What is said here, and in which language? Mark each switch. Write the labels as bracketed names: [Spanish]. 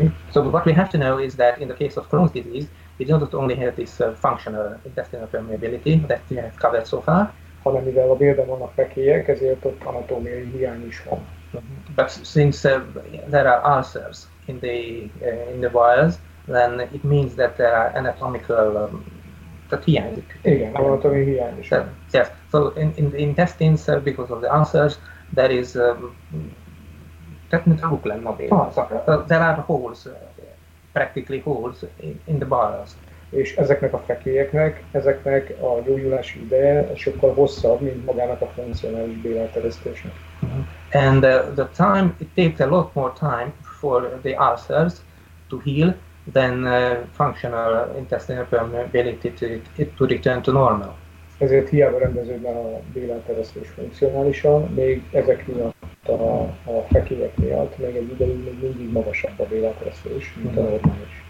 [English] so what we have to know is that in the case of Crohn's disease, we do not only have this functional intestinal permeability that we have covered so far, [Hungarian] hanem mivel a bélben vannak fekélyek, ezért ott anatómiai hiány is van. [English] But since there are ulcers in the vials, then it means that there are anatomical that [Hungarian] hiányzik. Igen, anatómiai hiány is van. [English] Yes, so in the intestines, because of the ulcers, there is technical problem of it. There are holes, practically holes in the bowels. [Hungarian] És ezeknek a fekélyeknek a gyógyulási ideje sokkal hosszabb, mint magának a funkcionális bélátteresztésnek. [English] And the time, it takes a lot more time for the ulcers to heal than functional intestinal permeability to return to normal. [Hungarian] Ezért hiába rendeződne a bélátteresztés funkcionálisan, még ezek miatt a fekélyek miatt, meg egy ideig még mindig magasabb a bélátteresztés, mint a normális.